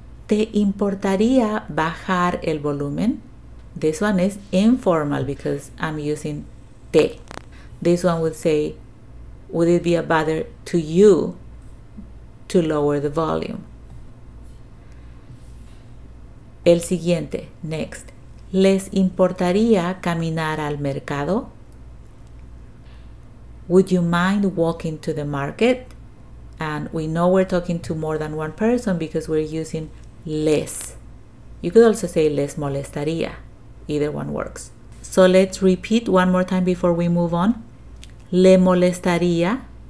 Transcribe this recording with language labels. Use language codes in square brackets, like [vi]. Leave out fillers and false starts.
[es] ¿Te importaría bajar el volumen? [en] This one is informal because I'm using te. This one would say, would it be a bother to you to lower the volume? [es] El siguiente, next. ¿Les importaría caminar al mercado? [en] Would you mind walking to the market? And we know we're talking to more than one person because we're using les. You could also say [es] les molestaría. [en] Either one works. So let's repeat one more time before we move on. [es] Le molestaría.